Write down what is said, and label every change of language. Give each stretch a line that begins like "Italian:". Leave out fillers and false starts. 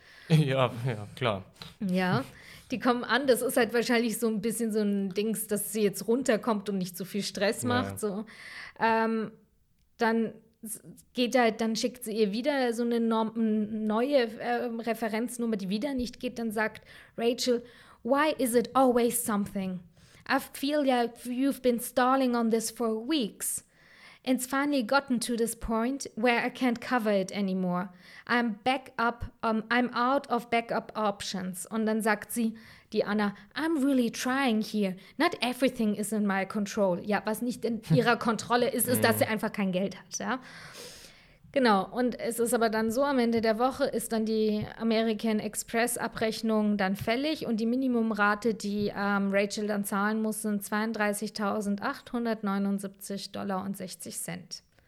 German: Ja, klar. Ja, die kommen an. Das ist halt wahrscheinlich so ein bisschen so ein Dings, dass sie jetzt runterkommt und nicht so viel Stress macht. So. Dann schickt sie ihr wieder so eine neue Referenznummer, die wieder nicht geht. Dann sagt Rachel,
English: why is it always something? I feel like you've been stalling on this for weeks. It's finally gotten to this point where I can't cover it anymore. I'm back up, I'm out of backup options.
German: Und dann sagt sie, die Anna,
English: I'm really trying here. Not everything is in my control.
German: Ja, was nicht in ihrer Kontrolle ist, ist, dass sie einfach kein Geld hat, ja. Genau, und es ist aber dann so, am Ende der Woche ist dann die American Express Abrechnung dann fällig und die Minimumrate, die Rachel dann zahlen muss, sind $32,879.60.